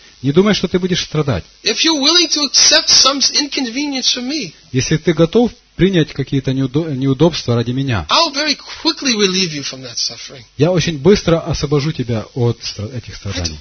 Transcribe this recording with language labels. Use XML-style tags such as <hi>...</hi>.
<ru>Не думай, что ты будешь страдать.</ru> <en>If you're willing to accept some inconvenience from me,</en> <ru>если ты готов принять какие-то неудобства ради меня,</ru> <en>I'll very quickly relieve you from that suffering.</en> <ru>Я очень быстро освобожу тебя от этих страданий.</ru>